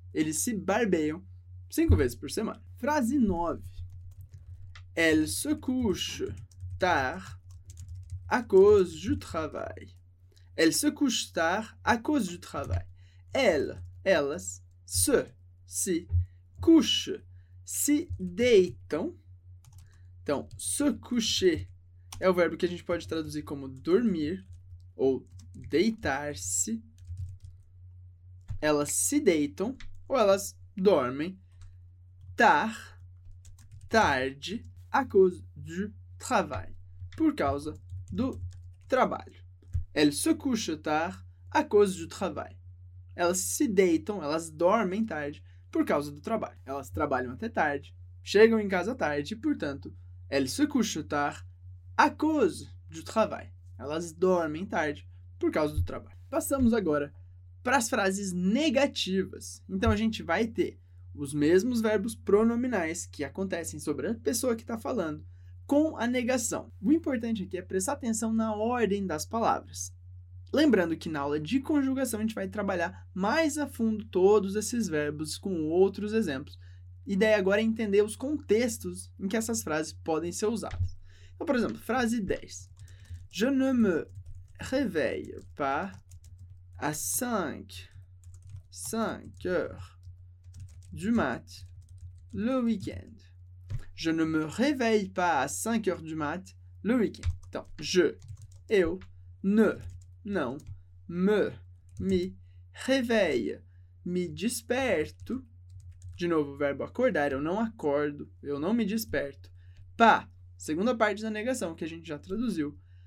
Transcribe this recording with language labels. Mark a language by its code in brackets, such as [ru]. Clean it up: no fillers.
[pt] Eles se barbeiam 5 vezes por semana. Frase 9. [fr] Elle se couche tard à cause du travail. Elle se couche tard à cause du travail. Elles se couche, [pt] se deitam. Então, [fr] se coucher [pt] é o verbo que a gente pode traduzir como dormir ou deitar-se. Elas se deitam ou elas dormem. Tarde, [fr] à cause du travail. [pt] Por causa do trabalho. [fr] Elles se couchent tard à cause du travail. [pt] Elas se deitam, elas dormem tarde por causa do trabalho. Elas trabalham até tarde, chegam em casa tarde, portanto, [fr] elles se couchent tard à cause du travail. [pt] Elas dormem tarde por causa do trabalho. Passamos agora para as frases negativas. Então, a gente vai ter os mesmos verbos pronominais que acontecem sobre a pessoa que está falando com a negação. O importante aqui é prestar atenção na ordem das palavras. Lembrando que na aula de conjugação a gente vai trabalhar mais a fundo todos esses verbos com outros exemplos. A ideia agora é entender os contextos em que essas frases podem ser usadas. Então, por exemplo, frase 10. [fr] Je ne me réveille pas à 5 heures du mat le week-end. Je ne me réveille pas à 5 heures du mat le week-end. [pt] Então, [fr] me réveille, [pt] me desperto. De novo, o verbo acordar, eu não acordo, eu não me desperto. Pá, segunda parte da negação que a gente já traduziu.